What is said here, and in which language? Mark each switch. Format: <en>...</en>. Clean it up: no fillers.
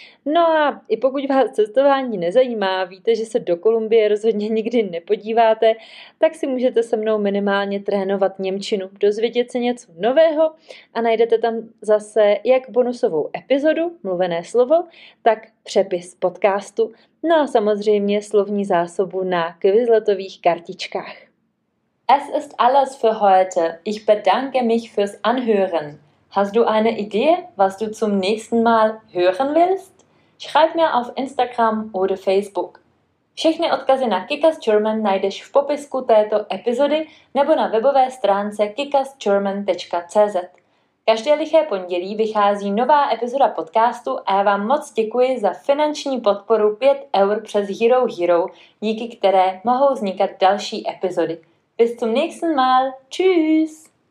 <cs>No a i pokud vás cestování nezajímá, víte, že se do Kolumbie rozhodně nikdy nepodíváte, tak si můžete se mnou minimálně trénovat němčinu, dozvědět se něco nového a najdete tam zase jak bonusovou epizodu, mluvené slovo, tak přepis podcastu, no a samozřejmě slovní zásobu na kvizletových kartičkách.</cs> <de>Es ist alles für heute. Ich bedanke mich fürs Anhören. Hast du eine Idee, was du zum nächsten Mal hören willst? Schreib mir auf Instagram oder Facebook.</de> <cs>Všechny odkazy na Kickass German najdeš v popisku této epizody nebo na webové stránce kickassgerman.cz. Každé liché pondělí vychází nová epizoda podcastu a já vám moc děkuji za finanční podporu 5 eur přes Hero Hero, díky které mohou vznikat další epizody.</cs> <de>Bis zum nächsten Mal. Tschüss!</de>